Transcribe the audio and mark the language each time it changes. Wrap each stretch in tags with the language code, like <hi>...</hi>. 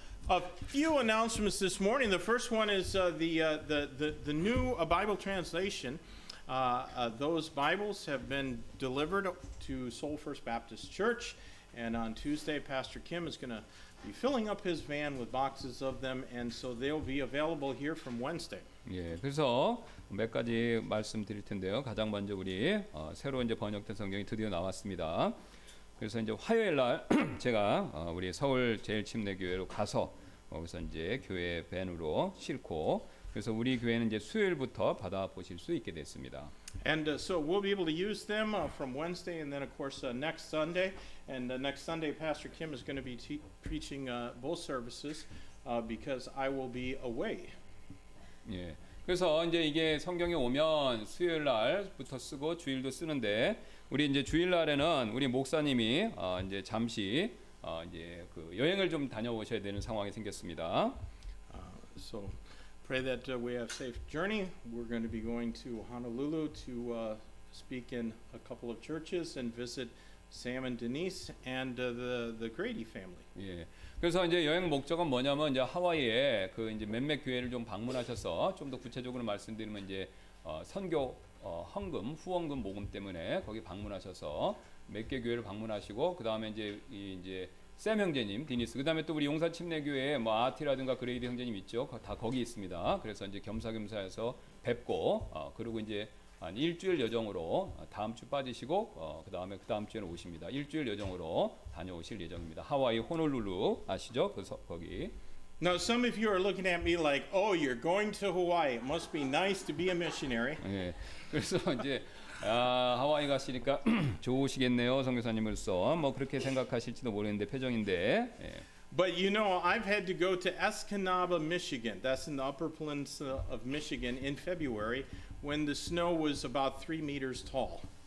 <en>A few announcements this morning. The first one is the new Bible translation. Those Bibles have been delivered to Soul First Baptist Church, and on Tuesday, Pastor Kim is going to be filling up his van with boxes of them, and so they'll be available here from Wednesday.</en> <ko>예, 그래서 몇 가지 말씀드릴 텐데요. 가장 먼저 우리 새로운 이제 번역된 성경이 드디어 나왔습니다. 그래서 이제 화요일 날 제가 우리 서울 제일 침례 교회로 가서 거기서 이제 교회 밴으로 싣고 그래서 우리 교회는 이제 수요일부터 받아 보실 수 있게 됐습니다.</ko> <en>And so we'll be able to use them from Wednesday and then of course next Sunday and next Sunday Pastor Kim is going to be preaching both services because I will be away.</en> <ko>예. 그래서 이제 이게 성경에 오면 수요일 날부터 쓰고 주일도 쓰는데 우리 이제 주일날에는 우리 목사님이 이제 잠시 이제 그 여행을 좀 다녀오셔야 되는 상황이 생겼습니다.</ko> <en>So pray that we have safe journey. We're going to be going to Honolulu to speak in a couple of churches and visit Sam and Denise and the Grady family.</en> <ko>예. 그래서 이제 여행 목적은 뭐냐면 이제 하와이에 그 이제 몇몇 교회를 좀 방문하셔서 좀 더 구체적으로 말씀드리면 이제 선교 헌금 후원금 모금 때문에 거기 방문하셔서 몇 개 교회를 방문하시고 그 다음에 이제 이 이제 샘 형제님 디니스 그 다음에 또 우리 용산 침례 교회 뭐 아티라든가 그레이디 형제님 있죠 다 거기 있습니다 그래서 이제 겸사겸사해서 뵙고 그리고 이제 한 일주일 여정으로 다음 주 빠지시고 그 다음에 그 다음 주에는 오십니다 일주일 여정으로 다녀오실 예정입니다 하와이 호놀룰루 아시죠 그래서 거기</ko> <en>Now, some of you are looking at me like, oh, you're going to Hawaii. It must be nice to be a missionary.</en> <ko>그래서 이제 하와이 가시니까 좋으시겠네요, 선교사님으로서. 뭐 그렇게 생각하실지도 모르는데 표정인데.</ko> <en>But you know, I've had to go to Escanaba, Michigan. That's in the upper peninsula of Michigan in February when the snow was about 3 meters tall.</en>